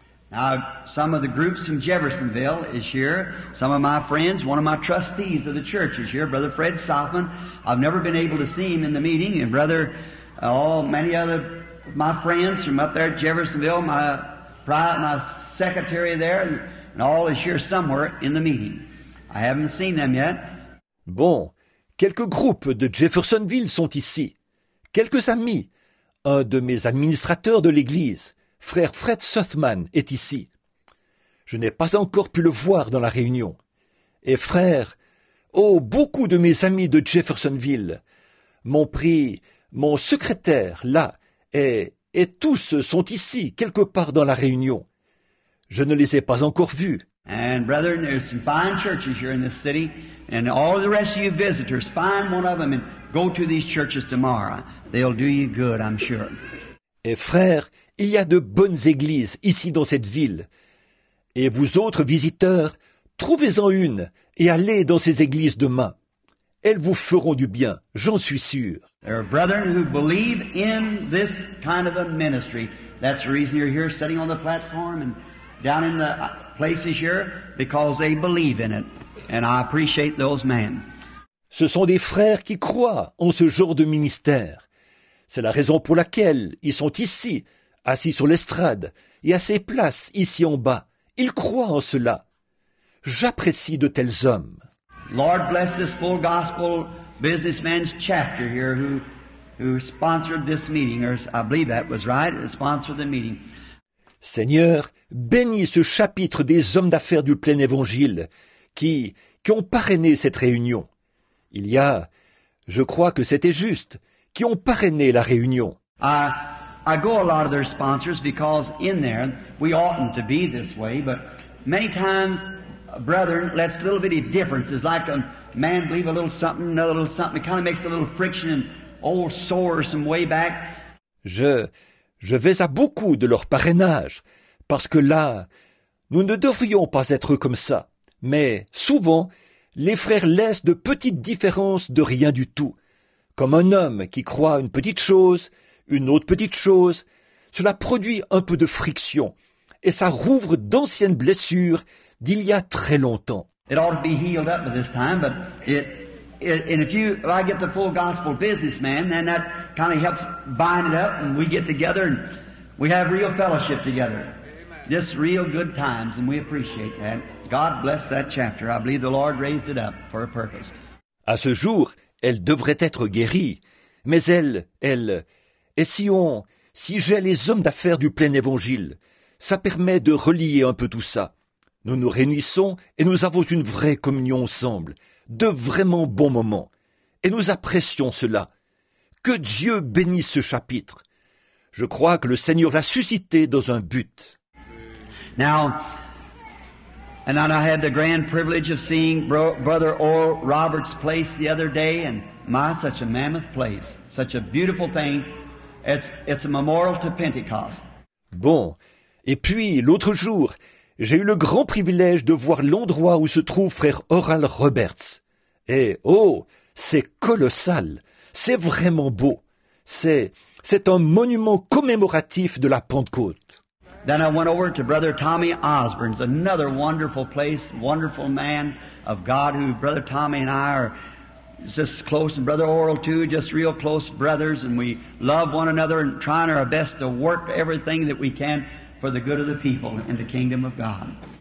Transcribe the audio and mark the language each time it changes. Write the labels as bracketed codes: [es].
[en] Now, some of the groups from Jeffersonville is here. Some of my friends, one of my trustees of the church is here, Brother Fred Stoffman. I've never been able to see him in the meeting. And Brother, many other my friends from up there at Jeffersonville, my secretary there, and all is here somewhere in the meeting. I haven't seen them yet. [fr] Bon, quelques groupes de Jeffersonville sont ici. Quelques amis, un de mes administrateurs de l'église. Frère Fred Southman est ici. Je n'ai pas encore pu le voir dans la réunion. Et frère, beaucoup de mes amis de Jeffersonville m'ont pris, mon secrétaire, là, et tous sont ici, quelque part dans la réunion. Je ne les ai pas encore vus. [en] And brethren, there's some fine churches here in this city, and all the rest of you visitors, find one of them and go to these churches tomorrow. They'll do you good, I'm sure. [fr] Et frère, il y a de bonnes églises ici dans cette ville. Et vous autres visiteurs, trouvez-en une et allez dans ces églises demain. Elles vous feront du bien, j'en suis sûr. [en] There are brethren who believe in this kind of a ministry. That's the reason you're here sitting on the platform and down in the places here, because they believe in it. And I appreciate those men. [fr] Ce sont des frères qui croient en ce genre de ministère. C'est la raison pour laquelle ils sont ici, assis sur l'estrade et à ces places ici en bas. Ils croient en cela. J'apprécie de tels hommes. [en] Lord bless this full gospel businessman's chapter here who sponsored this meeting. Or I believe that was right, sponsored the meeting. [fr] Seigneur, bénis ce chapitre des hommes d'affaires du plein évangile qui ont parrainé cette réunion. Il y a, je crois que c'était juste, qui ont parrainé la réunion. [en] I go a lot of their sponsors because in there, we oughtn't to be this way, but many times, brethren, lets little bitty differences, like a man believe a little something, another little something, it kind of makes a little friction and old sores some way back. [fr] Je vais à beaucoup de leur parrainage, parce que là, nous ne devrions pas être comme ça. Mais souvent, les frères laissent de petites différences de rien du tout. Comme un homme qui croit une petite chose, une autre petite chose, cela produit un peu de friction et ça rouvre d'anciennes blessures d'il y a très longtemps. [en] It ought to be healed up by this time, but if I get the full gospel businessman, then that kind of helps bind it up and we get together and we have real fellowship together. Just real good times and we appreciate that. God bless that chapter. I believe the Lord raised it up for a purpose. [fr] À ce jour, elle devrait être guérie, mais elle et si j'ai les hommes d'affaires du plein évangile, ça permet de relier un peu tout ça. Nous nous réunissons et nous avons une vraie communion ensemble, de vraiment bons moments. Et nous apprécions cela. Que Dieu bénisse ce chapitre. Je crois que le Seigneur l'a suscité dans un but. [en] Now, and then I had the grand privilege of seeing Brother Oral Roberts' place the other day, and my, such a mammoth place, such a beautiful thing. It's a memorial to Pentecost. [fr] Bon, et puis l'autre jour, j'ai eu le grand privilège de voir l'endroit où se trouve frère Oral Roberts. Et oh, c'est colossal, c'est vraiment beau. C'est un monument commémoratif de la Pentecôte. [en] Then I went over to Brother Tommy Osborne's, another wonderful place, wonderful man of God, who Brother Tommy and I are just close, and Brother Oral too, just real close brothers, and we love one another and trying our best to work everything that we can for the good of the people and the kingdom of God.